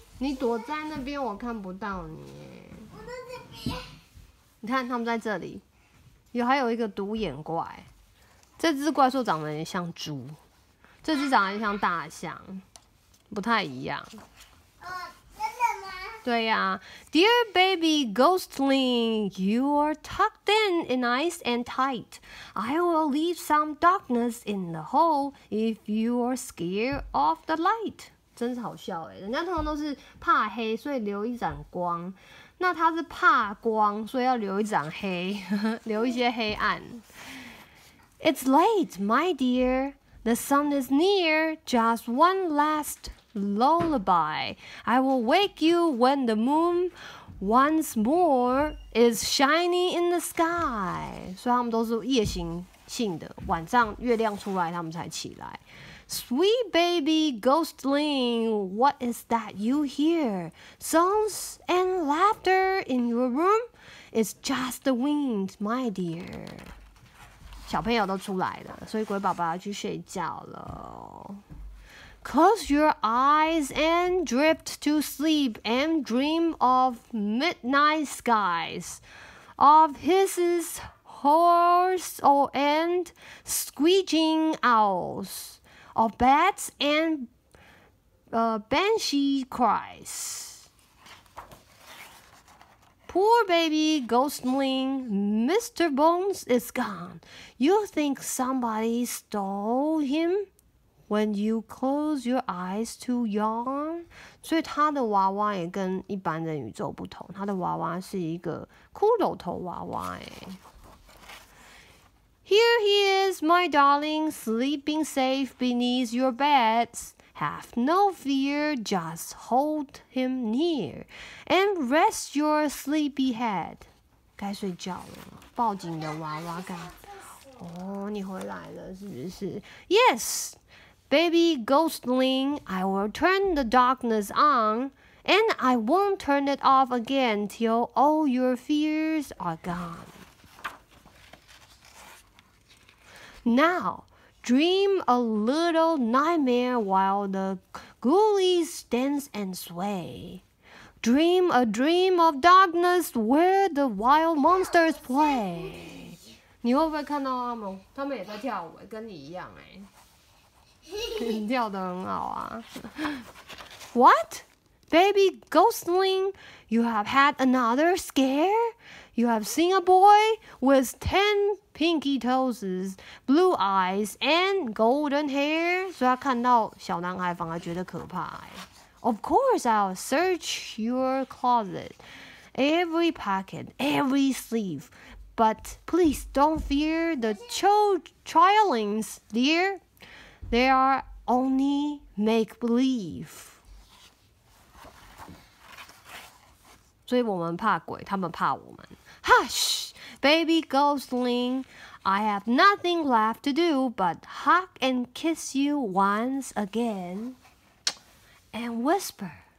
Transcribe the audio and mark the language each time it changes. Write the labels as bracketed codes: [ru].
[zh] 你躲在那边，我看不到你，欸。我在这边。你看，他们在这里，还有一个独眼怪。这只怪兽长得很像猪，这只长得很像大象，不太一样。真的吗？对呀， [en] Dear baby Gosling, you are tucked in nice and tight. I will leave some darkness in the hole if you are scared of the light. [zh] 真是好笑哎，人家通常都是怕黑，所以留一盏光。那他是怕光，所以要留一盏黑，留一些黑暗。 [en] It's late, my dear. The sun is near. Just one last lullaby. I will wake you when the moon once more is shining in the sky. [zh] 所以他们都是夜行性的，晚上月亮出来他们才起来。 [en] Sweet baby Gosling, what is that you hear? Songs and laughter in your room? It's just the wind, my dear. [zh] 小朋友都出来了，所以鬼宝宝要去睡觉了。 [en] Close your eyes and drift to sleep and dream of midnight skies, of hisses, hoars, and screeching owls, of bats and banshee cries. Poor baby Gosling, Mr. Bones is gone. You think somebody stole him when you close your eyes to yawn? [zh] 所以他的娃娃也跟一般的宇宙不同，他的娃娃是一个骷髅头娃娃，欸。 [en] Here he is, my darling, sleeping safe beneath your bed. Have no fear, just hold him near, and rest your sleepy head. [zh] 该睡觉了，抱紧的娃娃该。哦，你回来了，是不是 [en] ？Yes, baby Gosling, I will turn the darkness on, and I won't turn it off again till all your fears are gone. Now. Dream a little nightmare while the ghoulies dance and sway. Dream a dream of darkness where the wild monsters play. [zh] 你会不会看到他们？他们也在跳舞，跟你一样哎。你跳得很好啊。 [en] What? Baby Gosling, you have had another scare? You have seen a boy with 10 pinky toes, blue eyes, and golden hair. [zh] 所以他看到小男孩反而觉得可怕，欸。 [en] Of course, I'll search your closet, every pocket, every sleeve. But please don't fear the trailings, dear. They are only make-believe. [zh] 所以我们怕鬼，他们怕我们。 [en] Hush, baby ghostling, I have nothing left to do but hug and kiss you once again, and whisper.